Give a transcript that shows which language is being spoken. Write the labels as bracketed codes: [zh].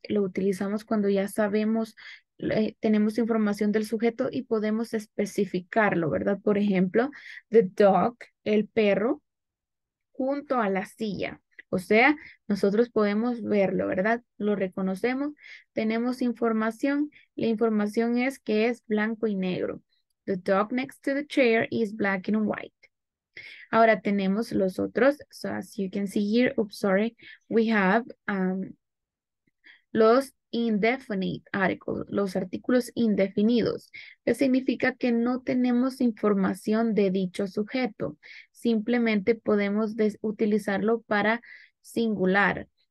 [es] Lo utilizamos cuando ya sabemos, tenemos información del sujeto y podemos especificarlo, ¿verdad? Por ejemplo, the dog, el perro, junto a la silla. O sea, nosotros podemos verlo, ¿verdad? Lo reconocemos, tenemos información. La información es que es blanco y negro. [en] The dog next to the chair is black and white. [es] Ahora tenemos los otros, [en] so as you can see here, oops, sorry, we have [es] los indefinite articles, los artículos indefinidos, que significa que no tenemos información de dicho sujeto, simplemente podemos utilizarlo para singular.